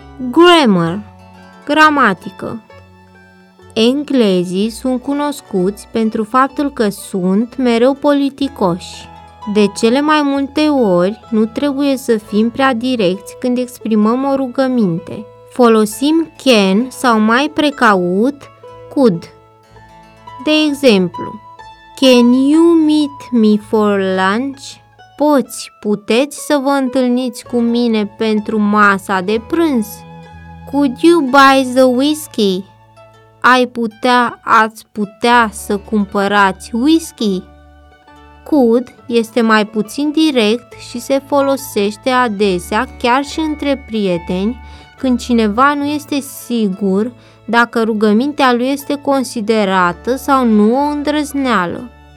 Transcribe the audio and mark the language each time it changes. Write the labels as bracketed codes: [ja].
[ro] Grammar, gramatică. Englezii sunt cunoscuți pentru faptul că sunt mereu politicoși. De cele mai multe ori, nu trebuie să fim prea direcți când exprimăm o rugăminte. Folosim can sau mai precaut, could. De exemplu, [en] can you meet me for lunch? [ro] Poți, puteți să vă întâlniți cu mine pentru masa de prânz? [en] Could you buy the whiskey? [ro] ai putea, ați putea să cumpărați whisky? Could este mai puțin direct și se folosește adesea chiar și între prieteni când cineva nu este sigur dacă rugămintea lui este considerată sau nu o îndrăzneală.